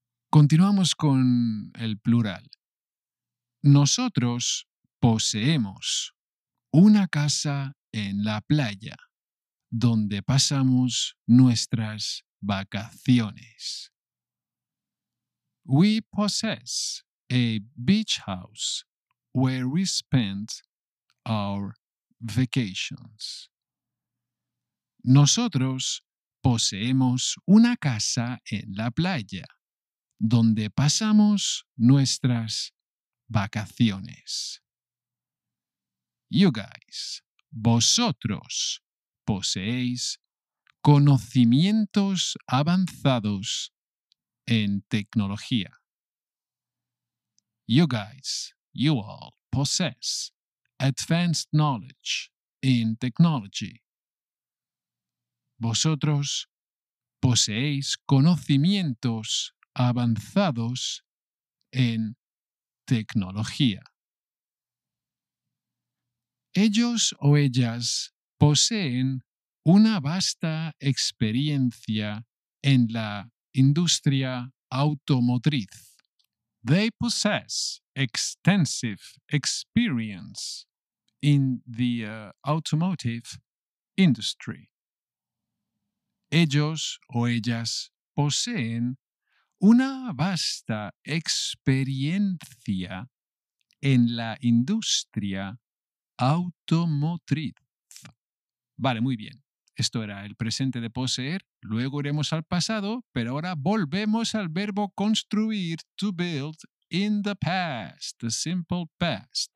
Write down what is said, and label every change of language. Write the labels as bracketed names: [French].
[Spanish] Continuamos con el plural. Nosotros poseemos una casa en la playa donde pasamos nuestras vacaciones. [English] We possess a beach house where we spend our vacations. [Spanish] Nosotros poseemos una casa en la playa donde pasamos nuestras vacaciones. [English] You guys, [Spanish] vosotros poseéis conocimientos avanzados en tecnología. [English] You guys, you all possess advanced knowledge in technology. [Spanish] Vosotros poseéis conocimientos avanzados en tecnología. Ellos o ellas poseen una vasta experiencia en la industria automotriz. [English] They possess extensive experience in the automotive industry. [Spanish] Ellos o ellas poseen una vasta experiencia en la industria automotriz. Vale, muy bien. Esto era el presente de poseer. Luego iremos al pasado, pero ahora volvemos al verbo construir, [English] to build, in the past, the simple past.